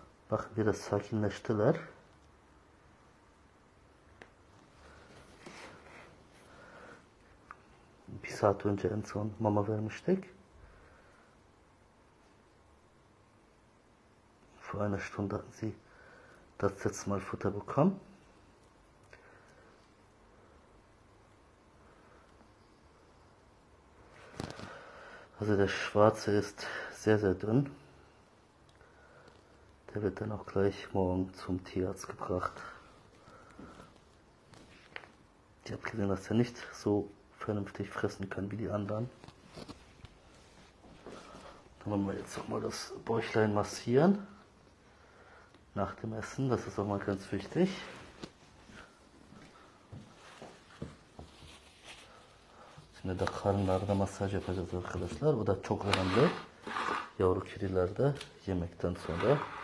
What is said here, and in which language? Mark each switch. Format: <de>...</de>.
<tr>Bak biraz sakinleştiler. Bir saat önce en son mama vermiştik.</tr> <de>Vor einer Stunde hatten sie das letzte Mal Futter bekommen. Also der Schwarze ist sehr, sehr dünn. Der wird dann auch gleich morgen zum Tierarzt gebracht. Ich habe gesehen, dass er nicht so vernünftig fressen kann wie die anderen. Dann wollen wir jetzt auch mal das Bäuchlein massieren. Nach dem Essen, das ist auch mal ganz wichtig.</de> <tr>Şimdi de karınlarda masaj yapacağız arkadaşlar. O da çok önemli. Yavru kedilerde yemekten sonra.</tr>